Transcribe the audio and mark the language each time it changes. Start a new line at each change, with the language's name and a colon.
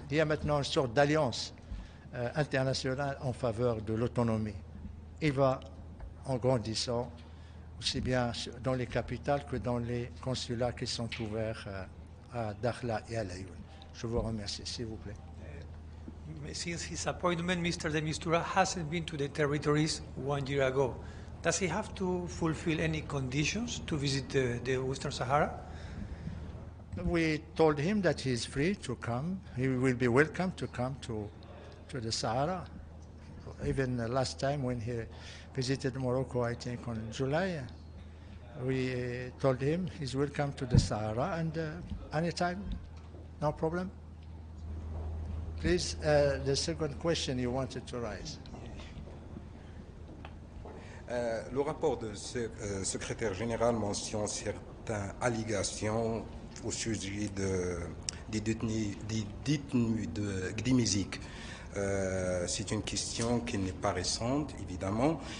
French: Il y a maintenant une sorte d'alliance internationale en faveur de l'autonomie. Il va en grandissant aussi bien dans les capitales que dans les consulats qui sont ouverts à Dakhla et à Laayoune. Je vous remercie, s'il vous plaît.
English: Since his appointment, Mr. Demistura hasn't been to the territories 1 year ago. Does he have to fulfill any conditions to visit the Western Sahara? We told him that he is free to come. He will be welcome to come to the Sahara. Even the last time when he visited Morocco, I think, on July. We told him he's welcome to the Sahara and anytime, no problem. Please, the second question you wanted to raise.
French: Le rapport de ce secrétaire général mentionne certaines allégations au sujet des détenus de Gdimizik. C'est une question qui n'est pas récente, évidemment.